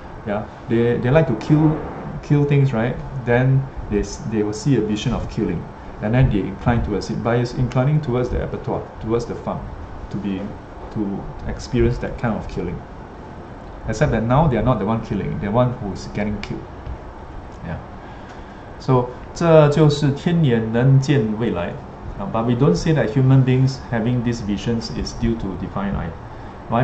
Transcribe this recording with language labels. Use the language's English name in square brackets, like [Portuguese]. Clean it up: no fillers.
[English] Yeah, they like to kill things, right? Then they will see a vision of killing, and then they incline towards it, by inclining towards the abattoir, towards the farm, to experience that kind of killing. Except that now they are not the one killing, they are one who is getting killed. Yeah. [Chinese] So 这就是天眼能见未来. [English] But we don't say that human beings having these visions is due to divine eye. Why?